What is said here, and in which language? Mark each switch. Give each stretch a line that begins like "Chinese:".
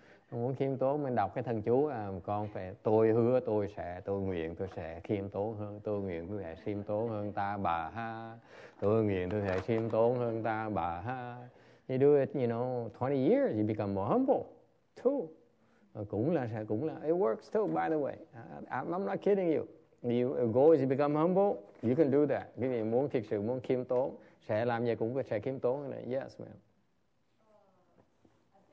Vietnamese: Mình muốn khiêm tốn, mình đọc cái thần chú, con phải, tôi hứa, tôi nguyện, tôi sẽ khiêm tốn hơn, tôi nguyện, tôi sẽ khiêm tốn hơn ta, bà ha. Tôi nguyện, tôi sẽ khiêm tốn hơn ta, bà ha.
English: You do it, 20 years, you become more humble, too.
Vietnamese: Cũng là,
English: it works too, by the way. I'm not kidding you. Your goal is to become humble. You can do that.
Vietnamese: Quý vị muốn thiệt sự muốn khiêm tốn, sẽ làm gì cũng có thể khiêm tốn.
English: Yes, ma'am. I think you mentioned this, but if you